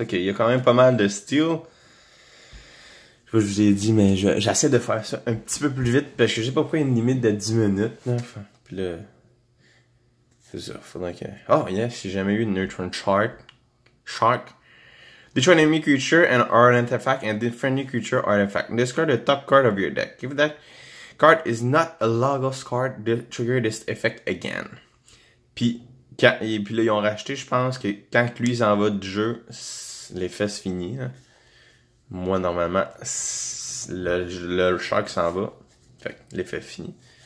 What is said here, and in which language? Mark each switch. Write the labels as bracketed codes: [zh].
[fr] Ok, il y a quand même pas mal de Steel. Je sais pas, je vous ai dit, mais j'essaie de faire ça un petit peu plus vite parce que j'ai pas pris une limite de 10 minutes. Là. Enfin, puis là. C'est ça, faudrait que. [en] Oh, yes, [fr] j'ai jamais eu de Neutron Shark. [en] Destroy an enemy creature and art artifact and different new creature artifact. Discard the top card of your deck. If that card is not a Logos card, trigger this effect again. [fr] Puis là, ils ont racheté, je pense que quand lui s'en va du jeu, l'effet se finit. Hein. Moi, normalement, le shark s'en va. Fait que l'effet finit.